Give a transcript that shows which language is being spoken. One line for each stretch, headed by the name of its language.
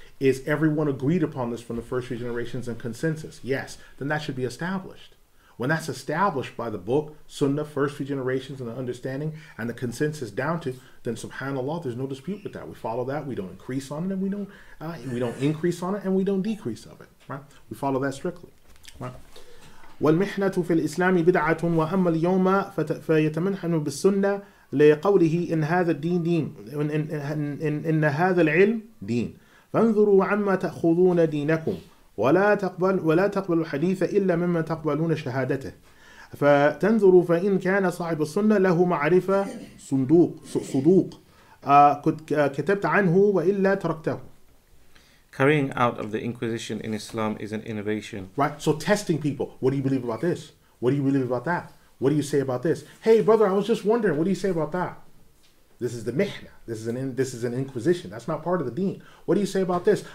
English: Is everyone agreed upon this from the first three generations in consensus? Yes. Then that should be established. when that's established by the book, Sunnah, first few generations and the understanding and the consensus down to, then subhanAllah, there's no dispute with that. We follow that, we don't increase on it, and we don't increase on it, and we don't decrease of it. Right? We follow that strictly. Right?
Arabic: والمحنة في الإسلام بدعة وأما اليوم فيتمحن بالسنة لقوله إن هذا الدين دين إن هذا العلم دين فانظروا عما تأخذون دينكم ولا تقبل الحديث إلا مما تقبلون شهادته فتنظروا فإن كان صاحب السنة له معرفة صدوق كتبت عنه وإلا تركته.
English: Carrying out of the Inquisition in Islam is an innovation. Right, so testing people. What do you believe about this? What do you believe about that? What do you say about this? Hey, brother, I was just wondering, what do you say about that? This is the mihna. This is an Inquisition. That's not part of the deen. What do you say about this?